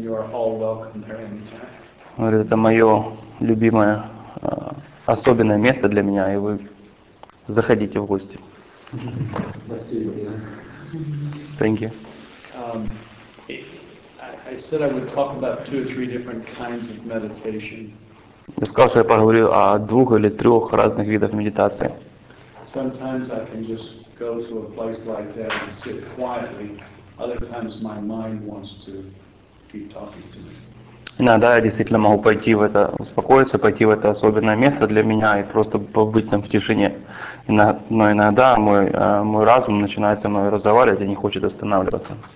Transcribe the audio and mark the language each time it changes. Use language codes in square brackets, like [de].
[ru] Говорит, это мое любимое особенное место для меня, и вы заходите в гости. Спасибо. [en] Thank you. I said I would talk about two or three different kinds of meditation. [ru] Я сказал, что я поговорю о двух или трех разных видах медитации. [en] Sometimes I can just go to a place like that and sit quietly. Other times my mind wants to keep talking to me. [ru] Иногда я действительно могу пойти в это, успокоиться, пойти в это особенное место для меня и просто побыть там в тишине. Но иногда мой разум начинает со мной разговаривать и не хочет останавливаться.